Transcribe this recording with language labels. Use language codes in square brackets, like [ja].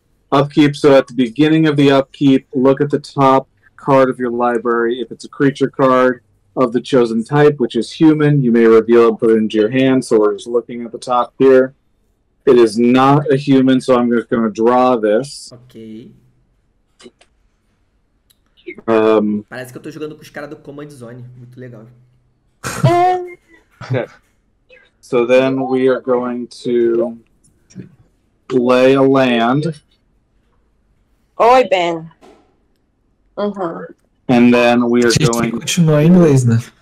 [en] Upkeep, so at the beginning of the upkeep, look at the top card of your library. If it's a creature card of the chosen type, which is human, you may reveal it and put it into your hand. So we're just looking at the top here. It is not a human, so I'm just going to draw this. Okay. [pt] Parece que eu tô jogando com os caras do Command Zone. Muito legal. [en] So then we are going to play a land. [pt] Oi, Ben. [en] And then we are going [pt] to continuar em inglês, né?